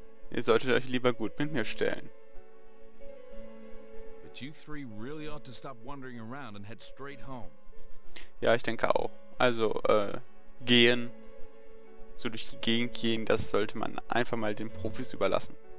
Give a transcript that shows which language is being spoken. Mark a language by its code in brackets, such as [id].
[de] Ihr solltet euch lieber gut mit mir stellen. [en] But you three really ought to stop wandering around and head straight home. [de] Ja, ich denke auch. Also, gehen. So durch die Gegend gehen, das sollte man einfach mal den Profis überlassen.